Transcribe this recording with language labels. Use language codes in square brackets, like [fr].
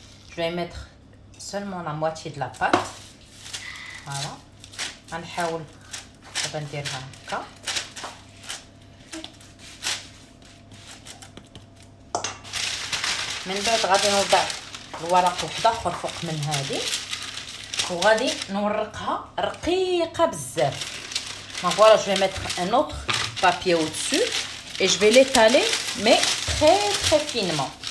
[fr] Je vais mettre seulement la moitié de la pâte. Voilà. On va essayer de faire [ar] من بعد غادي نوضع الورق وحده اخرى فوق من هذه، وغادي نورقها رقيقه بزاف. [fr] دونك فوالا جو ميتر ان اوتر بابيي او دسو et je vais l'étaler mais très très finement.